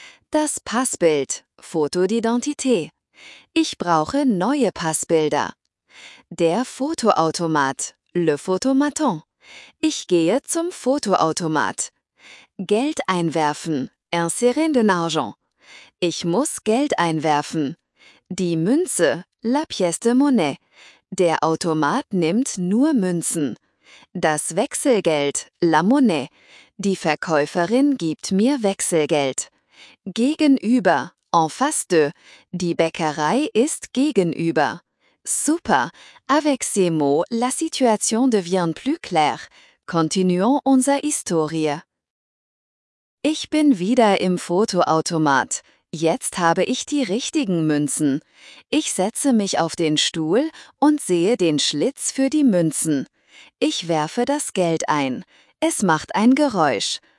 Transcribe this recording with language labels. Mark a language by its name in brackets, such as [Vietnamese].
[German] Das Passbild, [French] Foto d'identité. [German] Ich brauche neue Passbilder. Der Fotoautomat, [French] le photomaton. [German] Ich gehe zum Fotoautomat. Geld einwerfen, [French] insérer de l'argent. [German] Ich muss Geld einwerfen. Die Münze, [French] la pièce de monnaie. [German] Der Automat nimmt nur Münzen. Das Wechselgeld, [French] la monnaie. [German] Die Verkäuferin gibt mir Wechselgeld. Gegenüber, [French] en face de. [German] Die Bäckerei ist gegenüber. [French] Super, avec ces mots, la situation devient plus claire. Continuons [German] unser Historie. Ich bin wieder im Fotoautomat. Jetzt habe ich die richtigen Münzen. Ich setze mich auf den Stuhl und sehe den Schlitz für die Münzen. Ich werfe das Geld ein. Es macht ein Geräusch.